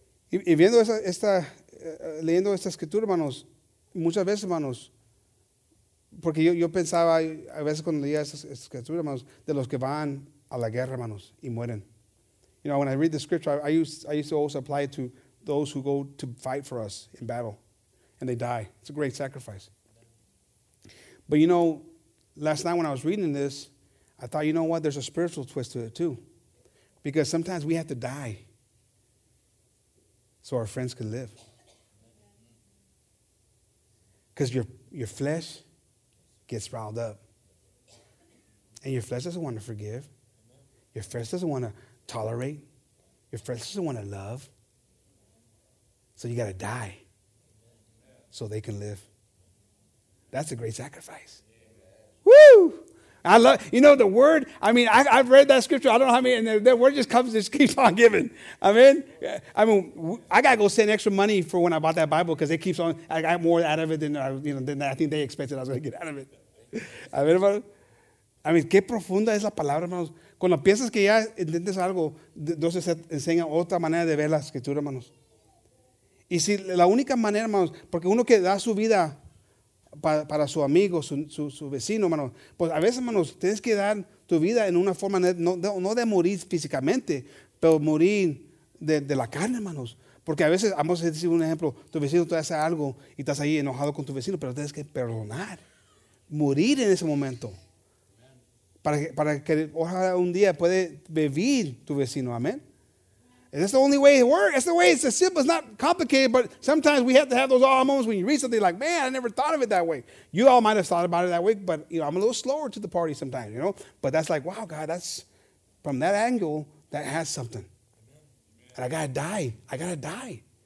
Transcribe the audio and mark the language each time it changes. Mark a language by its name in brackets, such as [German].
[Spanish] Y viendo leyendo esta escritura, hermanos, muchas veces, hermanos, porque yo pensaba, a veces cuando leía esta escritura, hermanos, de los que van a la guerra, hermanos, y mueren. [English] You know, when I read the scripture, I used to always apply it to those who go to fight for us in battle, and they die. It's a great sacrifice. But, you know, last night when I was reading this, I thought, you know what? There's a spiritual twist to it, too. Because sometimes we have to die so our friends can live. Because your flesh gets riled up. And your flesh doesn't want to forgive. Your flesh doesn't want to tolerate. Your flesh doesn't want to love. So you got to die so they can live. That's a great sacrifice. Woo! I love, you know, the word, I mean, I've read that scripture, I don't know how many, and the word just comes, just keeps on giving. Amen? I mean, I got to go send extra money for when I bought that Bible, because it keeps on, I got more out of it than I think they expected I was going to get out of it. Amen, hermano? I mean, [Spanish] qué profunda es la palabra, hermanos. Cuando piensas que ya entiendes algo, Dios te enseña otra manera de ver la escritura, hermanos. Y si la única manera, hermanos, porque uno que da su vida para su amigo, su vecino, hermano. Pues a veces, hermanos, tienes que dar tu vida en una forma, no de morir físicamente, pero morir de la carne, hermanos. Porque a veces, vamos a decir un ejemplo, tu vecino te hace algo y estás ahí enojado con tu vecino, pero tienes que perdonar, morir en ese momento. Para que ojalá un día puede vivir tu vecino, amén. [English] That's the only way it works. That's the way it's simple. It's not complicated, but sometimes we have to have those aha moments when you read something like, man, I never thought of it that way. You all might have thought about it that way, but you know, I'm a little slower to the party sometimes, you know? But that's like, wow, God, that's from that angle, that has something. And I got to die. I got to die.